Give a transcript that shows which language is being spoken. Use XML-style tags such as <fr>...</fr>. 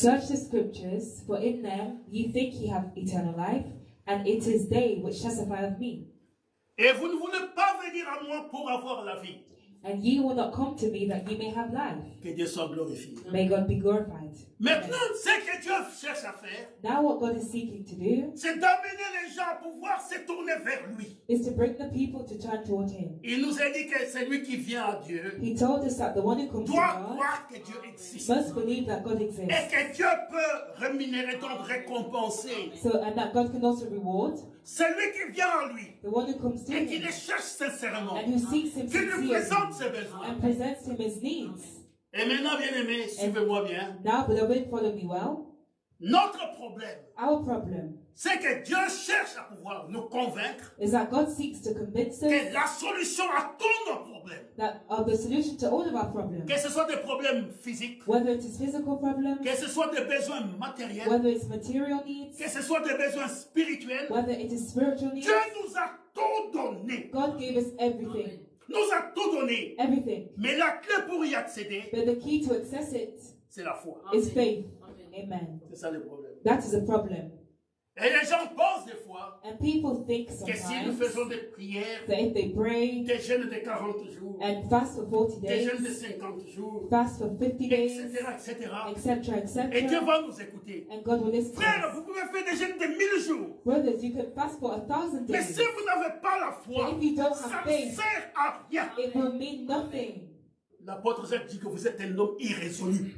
<en>Search the scriptures, for in them ye think ye have eternal life, and it is they which testify of me.</en> <fr>Et vous ne voulez pas venir à moi pour avoir la vie.</fr> <en>And ye will not come to me that ye may have life.</en> <fr>Que Dieu soit glorifié.</fr> <en>May God be glorified.</en> <fr>Maintenant, ce que Dieu cherche à faire,</fr> <en>now what God is seeking to do,</en> <fr>c'est d'amener les gens à pouvoir se tourner vers lui.</fr> <en>Is to bring the people to turn toward him.</en> <fr>Il nous a dit que c'est lui qui vient à Dieu.</fr> <en>He told us that the one who comes to God</en> <fr>doit croire que Dieu existe.</fr> <en>Must believe that God exists.</en> <fr>Et que Dieu peut rémunérer, donc récompenser.</fr> <en>So, and that God can also reward.</en> <fr>C'est lui qui vient à lui.</fr> <en>The one who comes to</en> <fr>et qui le cherche sincèrement.</fr> <en>And who seeks him</en> <fr>qui lui présente ses besoins.</fr> <en>And presents him his needs.</en> <fr>Et maintenant, bien-aimés, suivez-moi bien.</fr> <en>Now, beloved, follow me well.</en> <fr>Notre problème.</fr> <en>Our problem.</en> <fr>C'est que Dieu cherche à pouvoir nous convaincre.</fr> <en>Is that God seeks to convince us.</en> <fr>Que la solution à tous nos problèmes.</fr> <en>That of the solution to all of our problems.</en> <fr>Que ce soit des problèmes physiques.</fr> <en>Whether it is physical problems.</en> <fr>Que ce soit des besoins matériels.</fr> <en>Whether it's material needs.</en> <fr>Que ce soit des besoins spirituels.</fr> <en>Whether it is spiritual needs.</en> <fr>Dieu nous a tout donné.</fr> <en>God gave us everything.</en> <fr>Nous a tout donné.</fr> <en>Everything.</en> <fr>Mais la clé pour y accéder.</fr> <en>But the key to access it.</en> <fr>C'est la foi.</fr> <en>Is faith. Amen.</en> <fr>C'est ça le problème.</fr> <en>That is a problem.</en> <fr>Et les gens pensent des fois.</fr> <en>And people think sometimes that if they pray and fast for 40 days, fast for 50 days, etc., and God will listen to us. Brothers, you can fast for 1,000 days, but if you don't have faith, it will mean nothing.</en> <fr>L'apôtre Jacques dit que vous êtes un homme irrésolu.</fr>